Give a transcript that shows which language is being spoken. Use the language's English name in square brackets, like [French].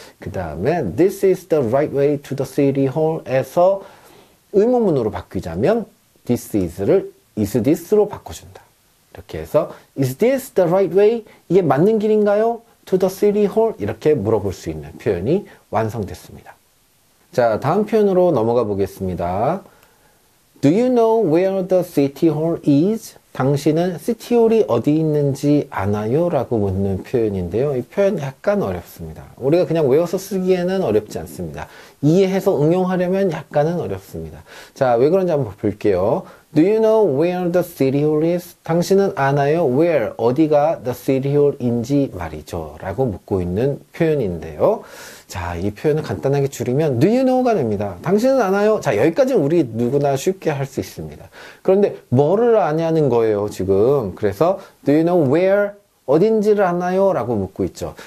[Korean] 그 다음에 [English] this is the right way to the city hall [Korean] 에서 의문문으로 바뀌자면 this is를 is this로 바꿔준다. 이렇게 해서 [English] is this the right way? [Korean] 이게 맞는 길인가요? [English] to the city hall? [Korean] 이렇게 물어볼 수 있는 표현이 완성됐습니다. 자, 다음 표현으로 넘어가 보겠습니다. [English] Do you know where the city hall is? [Korean] 당신은 city hall이 어디 있는지 아나요? 라고 묻는 표현인데요. 이 표현 약간 어렵습니다. 우리가 그냥 외워서 쓰기에는 어렵지 않습니다. 이해해서 응용하려면 약간은 어렵습니다. 자, 왜 그런지 한번 볼게요. [English] Do you know where the city hall is? [Korean] 당신은 아나요? Where? 어디가 the city hall인지 말이죠. 라고 묻고 있는 표현인데요. 자, 이 표현을 간단하게 줄이면 [English] Do you know [Korean] 가 됩니다. 당신은 아나요? 자, 여기까지는 우리 누구나 쉽게 할 수 있습니다. 그런데 뭐를 아냐는 거예요, 지금. 그래서 [English] Do you know where? [Korean] 어딘지를 아나요? 라고 묻고 있죠.